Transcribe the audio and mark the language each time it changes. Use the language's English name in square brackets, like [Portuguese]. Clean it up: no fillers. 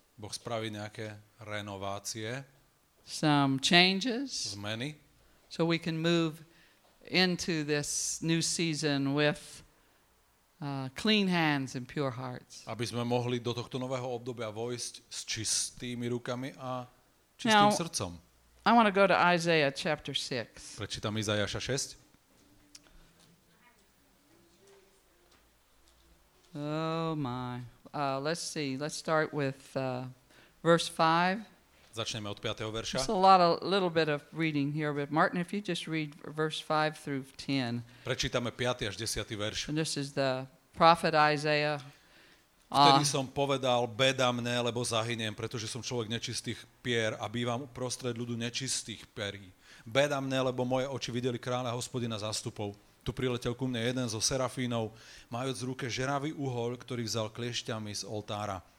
[Slovak] Boh spraví nejaké renovácie. [English] Some changes. [Slovak] Zmeny. [English] So we can move into this new season with clean hands and pure hearts. [Slovak] Aby sme mohli do tohto nového obdobia vojsť s čistými rukami a čistým [English] now, [Slovak] srdcom. [English] I want to go to Isaiah chapter 6. [Slovak] Prečítam Izajaša 6. [English] Oh my. Let's see. Let's start with verse 5. [Slovak] Začneme od 5. verša. [English] There's a lot of little bit of reading here, but Martin, if you just read verse 5 through 10. [Slovak] Prečítame 5. až 10. verš. [English] And this is the prophet Isaiah. [Slovak] Vtedy som povedal, beda mne, lebo zahyniem, pretože som človek nečistých pier a bývam uprostred ľudu nečistých perí. beda mne, lebo moje oči videli kráľa Hospodina zastupov. Tu priletel ku mne jeden zo serafínov, majúc v ruke žeravý uhoľ, ktorý vzal kliešťami z oltára.